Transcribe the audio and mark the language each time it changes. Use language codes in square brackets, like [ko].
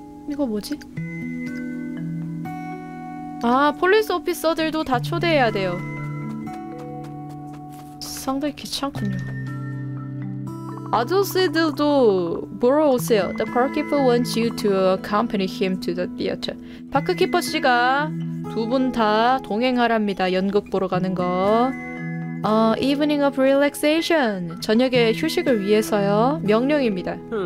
[ko] 이거 뭐지? 아 폴리스 오피서들도 다 초대해야 돼요. 상당히 귀찮군요. 아저씨들도 보러 오세요. [en] The parkkeeper wants you to accompany him to the theater. [ko] 파크키퍼 씨가 두 분 다 동행하랍니다. 연극 보러 가는 거. [en] Evening of relaxation. [ko] 저녁에 휴식을 위해서요. 명령입니다.